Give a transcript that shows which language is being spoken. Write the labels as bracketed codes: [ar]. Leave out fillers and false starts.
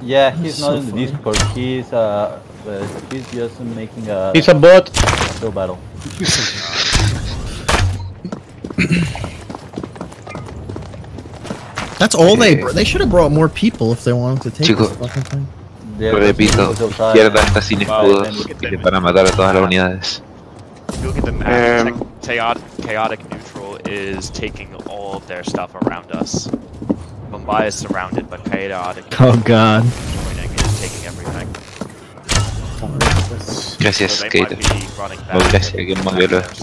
[en] Yeah, he's not in the Discord. He's just making a. He's a bot. Still battle. That's all they should have brought more people if they wanted to take this fucking thing. [es] Repito, izquierda está sin escudos y van a matar a todas las unidades. [en] Look at the map. Chaotic Neutral is taking all of their stuff around us. Munbei is surrounded by Chaotic. Oh god. Is taking everything. [es] Gracias, Kato. Muy gracias, que manguero.